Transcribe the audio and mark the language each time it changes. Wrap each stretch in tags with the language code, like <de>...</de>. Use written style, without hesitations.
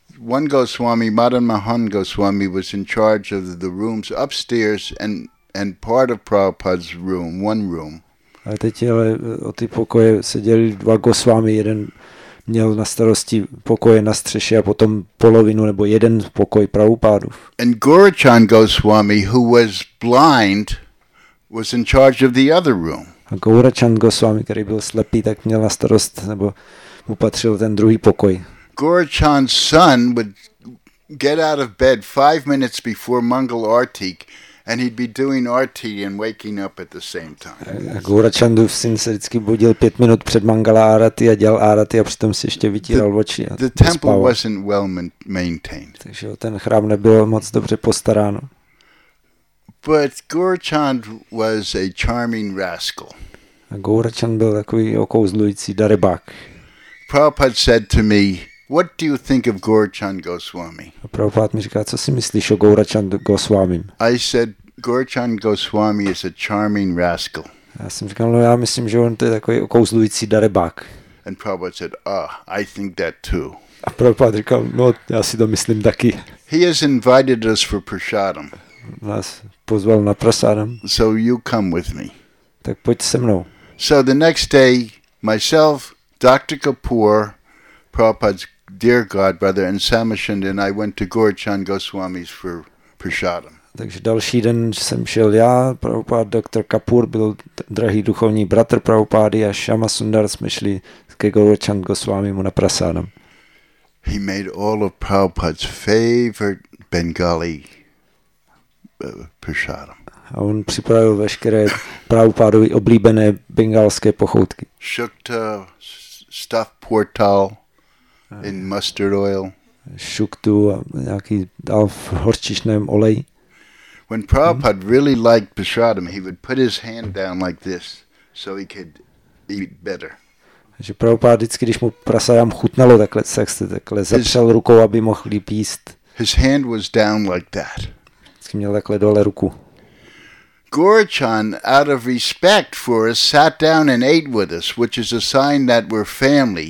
<en>One Goswami, Madan Mohan Goswami, was in charge of the rooms upstairs and part of Prabhupada's room, one room.</en> <cs>A teď ale o ty pokoje seděli dva Goswami, jeden měl na starosti pokoje na střeše a potom polovinu nebo jeden pokoj Prabhupádův.</cs> <en>And Gurachand Goswami, who was blind, was in charge of the other room.</en> <cs>A Gurachand Goswami, který byl slepý, tak měl na starost nebo upatřil ten druhý pokoj.</cs> <en>Gurachand's son would get out of bed 5 minutes before Mangal Arti, and he'd be doing Arti and waking up at the same time.</en> <cs>Gurachandův syn se vždycky budil 5 minut před Mangala Arati a dělal Arati a přitom si ještě vytíral oči.</cs> <en>The temple wasn't well maintained.</en> <cs>Takže ten chrám nebyl moc dobře postaráno.</cs> <en>But Gorchand was a charming rascal.</en> <cs>A Gorchand byl takový okouzlující darebák.</cs> <en>Prabhupada said to me, "What do you think of Gorchand Goswami?"</en> <cs>A Prabhupada mi říká, co si myslíš o Gorchand Goswami?</cs> <en>I said, "Gorchand Goswami is a charming rascal."</en> <cs>Já jsem říkal, no já myslím, že on to je takový okouzlující darebák.</cs> <en>And Prabhupada said, "Ah, I think that too."</en> <cs>A Prabhupada říkal, no já si to myslím taky.</cs> <en>He has invited us for prasadam.</en> <cs>Nás pozval na prasadam.</cs> <en>So you come with me.</en> <cs>Tak pojď se mnou.</cs> <en>So the next day, myself, Dr. Kapoor, Prabhupada's dear godbrother, and Samashand, and I went to Gorchand Goswami's for prasadam.</en> <cs>Takže další den jsem šel já, Prabhupada, Dr. Kapoor byl drahý duchovní bratr Prabhupády a Shama Sundar jsme šli ke Gorchand Goswamimu na prasadam.</cs> <en>He made all of Prabhupada's favorite Bengali prasadam.</en> <cs>A on připravil veškeré Prabhupádovi oblíbené bengalské pochoutky.</cs> <en>Shukta, stuffed pork tal in mustard oil.</en> <cs>Shuktu a nějaký dal v horčičném oleji.</cs> <en>When Prabhupada really liked prasadam, he would put his hand down like this so he could eat better.</en> <cs>Že Prabhupada vždycky, když mu prasadam chutnalo, takhle sex, takhle zapřel rukou, aby mohl líp jíst.</cs> <en>His hand was down like that.</en> <cs>Vždycky měl takhle dole ruku.</cs> <en>Gorchand, out of respect for us, sat down and ate with us, which is a sign that we're family.</en>